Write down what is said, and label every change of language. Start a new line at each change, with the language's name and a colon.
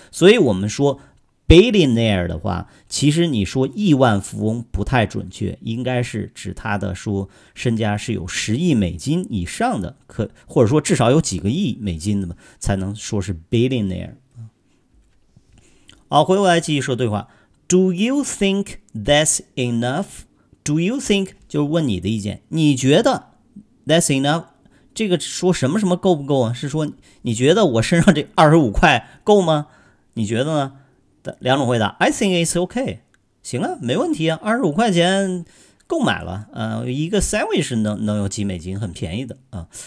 Chinese: 所以我们说billionaire 的话，其实你说亿万富翁不太准确，应该是指他的说身家是有10亿美金以上的，或者说至少有几个亿美金的嘛，才能说是 billionaire。好，回过来继续说对话。
English: Do you think that's enough? Do you think
Chinese: 就是问你的意见，你觉得
English: that's enough
Chinese: 这个说什么什么够不够啊？是说你觉得我身上这25块够吗？你觉得呢？两种回答 ,
English: I think it's okay,
Chinese: 行啊，没问题啊，25块钱够买了，一个 sandwich 能有几美金，很便宜的啊。